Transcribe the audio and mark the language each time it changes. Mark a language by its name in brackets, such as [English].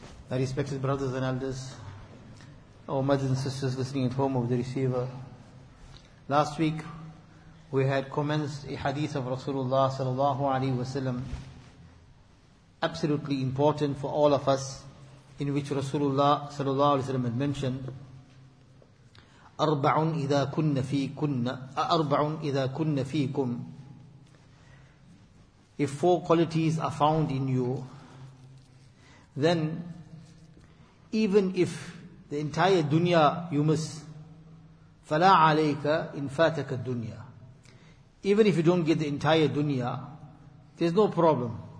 [English] My respected brothers and elders, our mothers and sisters listening at home of the receiver, last week we had commenced a hadith of Rasulullah sallallahu alaihi wasallam, absolutely important for all of us, in which Rasulullah sallallahu alaihi wasallam had mentioned, [Arabic] أربع إذا كن فيكن أربع إذا كن فيكم. [English] If four qualities are found in you, then even if the entire dunya you miss, [Arabic] فَلَا عَلَيْكَ إِنْ فَاتَكَ الدُّنْيَا. [English] Even if you don't get the entire dunya, there's no problem.